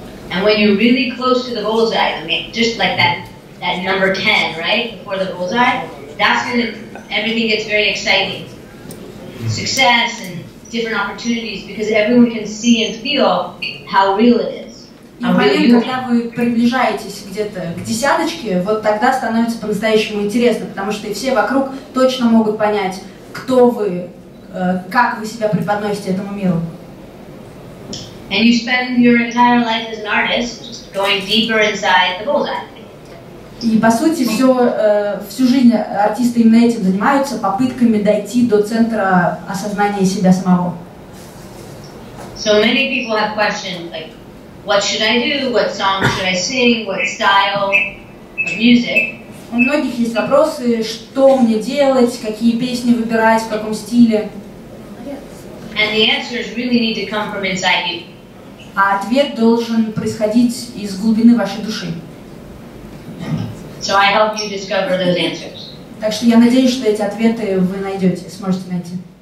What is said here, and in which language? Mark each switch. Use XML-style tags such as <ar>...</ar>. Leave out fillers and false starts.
<en>And when you're really close to the bullseye, I mean, just like that, at number 10, right, before the bullseye, that's when everything gets very exciting. Success and different opportunities, because everyone can see and feel how real it is.</en> <ru>Когда вы приближаетесь где-то к десяточке, вот тогда становится по-настоящему интересно, потому что все вокруг точно могут понять, кто вы, как вы себя преподносите этому миру.</ru> <en>And you spend your entire life as an artist, just going deeper inside the bullseye.</en> <ru>И по сути все всю жизнь артисты именно этим занимаются, попытками дойти до центра осознания себя самого.</ru> <en>So many people have questions like, what should I do? What song should I sing? What style of music?</en> <ru>У многих есть вопросы, что мне делать, какие песни выбирать, в каком стиле.</ru> <en>And the answers really need to come from inside you.</en> <ru>А ответ должен происходить из глубины вашей души.</ru> <en>So I help you discover those answers.</en> <ru>Так что я надеюсь, что эти ответы вы найдете, сможете найти.</ru>